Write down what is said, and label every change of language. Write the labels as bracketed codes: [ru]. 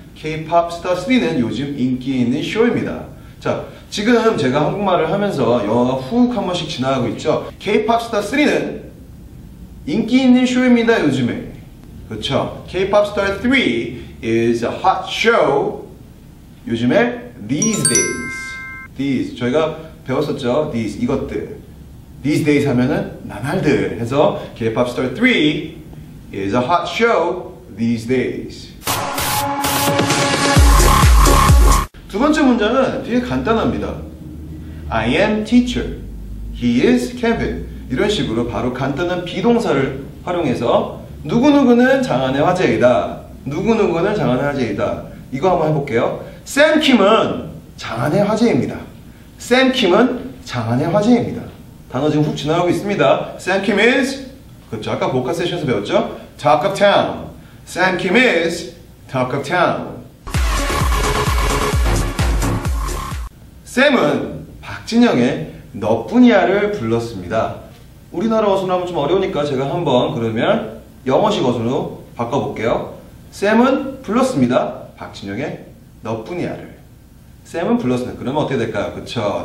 [ko] K-POP STAR 3는 요즘 인기 있는 쇼입니다. 자, 지금 제가 한국말을 하면서 영어가 훅 한 번씩 지나가고 있죠. K-POP STAR 3는 인기 있는 쇼입니다. 요즘에 그렇죠. [en] K-POP STAR 3 is a hot show. [ko] 요즘에 [en] these days [ko] 저희가 배웠었죠. [en] these [ko] 이것들. [en] these days [ko] 하면은 나날들 해서 [en] K-POP STAR 3 is a hot show these days. [ko] 두 번째 문장은 되게 간단합니다. [en] I am teacher. He is Kevin. [ko] 이런 식으로 바로 간단한 비동사를 활용해서 누구누구는 장안의 화제이다. 누구누구는 장안의 화제이다. 이거 한번 해볼게요. 샘 킴은 장안의 화제입니다. 샘 킴은 장안의 화제입니다. 단어 지금 훅 지나가고 있습니다. 샘 킴 [en] is, [ko] 그렇죠. 아까 보컬 세션에서 배웠죠? [en] Talk of town. 샘 킴 is talk of town. [ko] 샘은 박진영의 너뿐이야를 불렀습니다. 우리나라 어순으로 하면 좀 어려우니까 제가 한번 그러면 영어식 어순으로 바꿔볼게요. 샘은 불렀습니다. 박진영의 너뿐이야를. 샘은 불렀습니다. 그러면 어떻게 될까요? 그쵸.